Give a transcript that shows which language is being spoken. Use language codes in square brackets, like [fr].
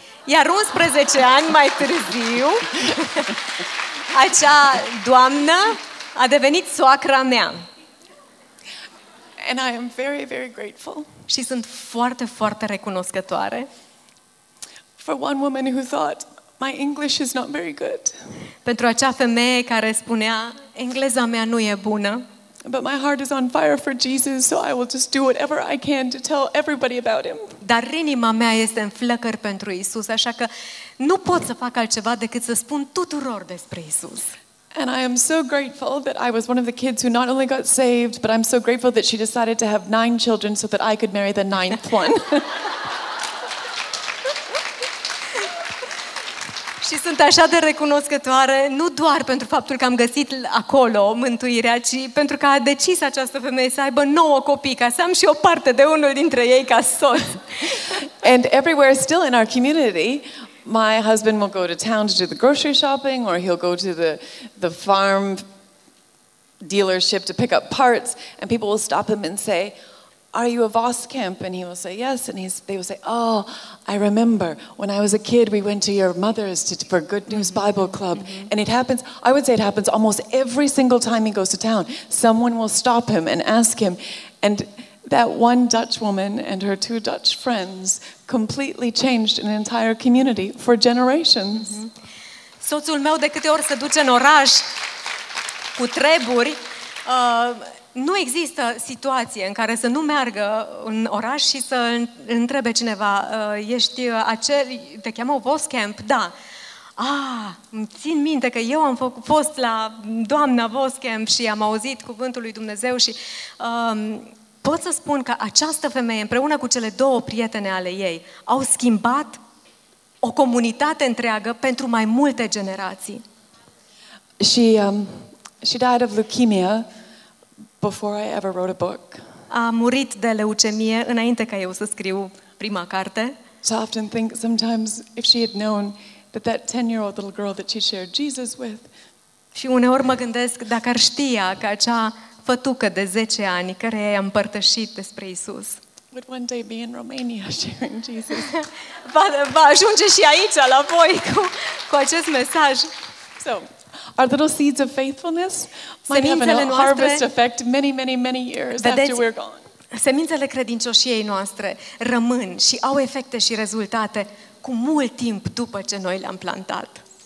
[ro] Iar 11 ani mai târziu, acea doamnă a devenit soacra mea. [en] And I am very, very grateful. [ro] Și sunt foarte, foarte recunoscătoare. [en] For one woman who thought my English is not very good. [ro] Pentru acea femeie care spunea engleza mea nu e bună. [en] But my heart is on fire for Jesus, so I will just do whatever I can to tell everybody about him. [ro] Dar inima mea este în flăcări pentru Isus, așa că nu pot să fac altceva decât să spun tuturor despre Isus. [en] And I am so grateful that I was one of the kids who not only got saved, but I'm so grateful that she decided to have 9 children so that I could marry the 9th one. [ro] Și sunt așa de recunoscătoare, nu doar pentru faptul că am găsit acolo mântuirea, ci pentru că a decis această femeie să aibă 9 copii, ca să am și o parte de unul dintre ei ca soț. [en] And everywhere still in our community, my husband will go to town to do the grocery shopping or he'll go to the farm dealership to pick up parts and people will stop him and say, "Are you a Voskamp?" And he will say yes, and they will say, "Oh, I remember when I was a kid, we went to your mother's for Good News Bible Club." Mm-hmm. And it happens, I would say it happens almost every single time he goes to town. Someone will stop him and ask him, and that one Dutch woman and her two Dutch friends completely changed an entire community for generations. Mm-hmm. [ro] Soțul meu de câte ori se duce în oraș cu treburi, nu există situație în care să nu meargă în oraș și să întrebe cineva, ești acel, te cheamă Voskamp? Da. Ah, îmi țin minte că eu am fost la doamna Voskamp și am auzit cuvântul lui Dumnezeu și pot să spun că această femeie împreună cu cele două prietene ale ei au schimbat o comunitate întreagă pentru mai multe generații. [en] She, she died of leukemia before I ever wrote a book. [ro] A murit de leucemie înainte ca eu să scriu prima carte. [en] So I often think sometimes if she had known that that 10-year-old little girl that she shared Jesus with. [ro] Și uneori mă gândesc dacă ar știa că acea fătucă de 10 ani care i-a împărtășit despre Isus. [en] would one day be in Romania sharing Jesus. [ro] Va ajunge și aici la voi cu acest mesaj. [en] So, our little seeds of faithfulness might have a harvest effect many, many, many years after we're gone. [ro] Semințele credincioșiei noastre rămân și au efecte și rezultate cu mult timp după ce noi le-am plantat.